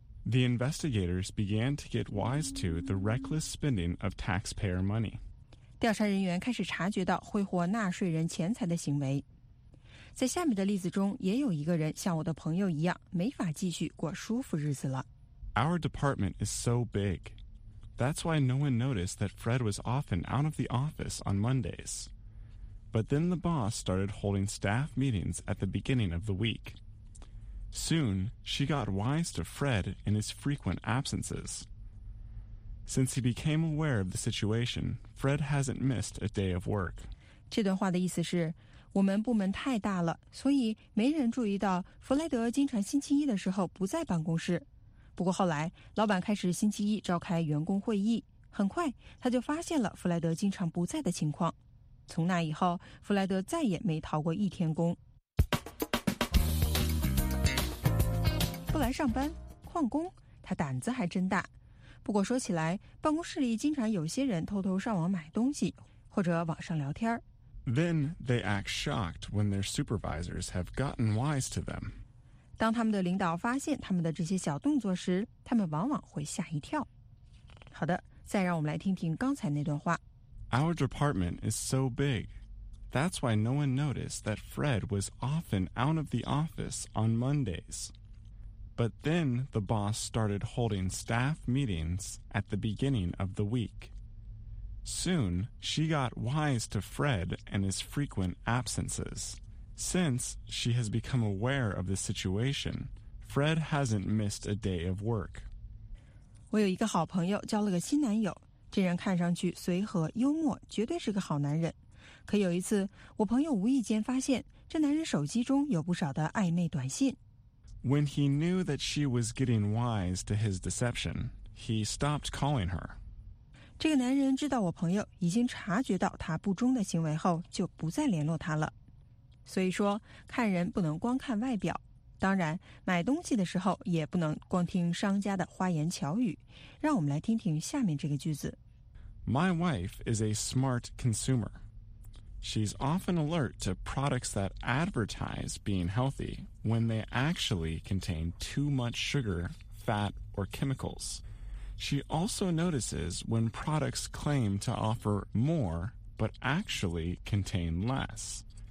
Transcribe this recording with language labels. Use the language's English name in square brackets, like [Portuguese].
[English] The investigators began to get wise to the reckless spending of taxpayer money. [Chinese] 调查人员开始察觉到挥霍纳税人钱财的行为。在下面的例子中，也有一个人像我的朋友一样，没法继续过舒服日子了。 [English] Our department is so big. That's why no one noticed that Fred was often out of the office on Mondays. But then the boss started holding staff meetings at the beginning of the week. Soon, she got wise to Fred in his frequent absences. Since he became aware of the situation, Fred hasn't missed a day of work. [Chinese] 这段话的意思是，我们部门太大了，所以没人注意到弗莱德经常星期一的时候不在办公室。不过后来，老板开始星期一召开员工会议，很快他就发现了弗莱德经常不在的情况。从那以后，弗莱德再也没逃过一天工。不来上班，旷工，他胆子还真大。不过说起来，办公室里经常有些人偷偷上网买东西，或者网上聊天。 [English] Then they act shocked when their supervisors have gotten wise to them. [Chinese] 当他们的领导发现他们的这些小动作时，他们往往会吓一跳。好的，再让我们来听听刚才那段话。 [English] Our department is so big. That's why no one noticed that Fred was often out of the office on Mondays. But then the boss started holding staff meetings at the beginning of the week. Soon, she got wise to Fred and his frequent absences. Since she has become aware of the situation, Fred hasn't missed a day of work. [Chinese] 我有一个好朋友交了个新男友，这人看上去随和幽默，绝对是个好男人。可有一次，我朋友无意间发现这男人手机中有不少的暧昧短信。 [English] When he knew that she was getting wise to his deception, he stopped calling her. [Chinese] 这个男人知道我朋友已经察觉到他不忠的行为后，就不再联络他了。所以说，看人不能光看外表。当然，买东西的时候也不能光听商家的花言巧语。让我们来听听下面这个句子。 [English] My wife is a smart consumer. She's often alert to products that advertise being healthy. When they actually contain too much sugar, fat, or chemicals. She also notices when products claim to offer more, but actually contain less.